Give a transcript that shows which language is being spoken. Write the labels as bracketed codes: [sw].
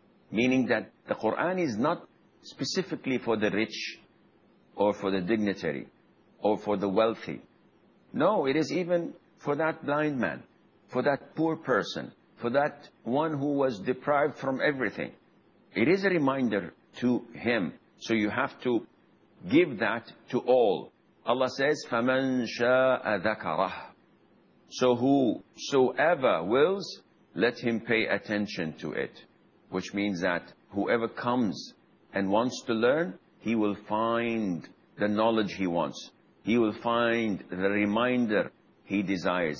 [en] Meaning that the Quran is not specifically for the rich or for the dignitary or for the wealthy. No, it is even for that blind man, for that poor person, for that one who was deprived from everything. It is a reminder to him. So you have to give that to all. Allah says, [ar] فَمَنْ شَاءَ ذَكَرَهُ. [en] So whosoever wills, let him pay attention to it. Which means that whoever comes and wants to learn, he will find the knowledge he wants. He will find the reminder he desires.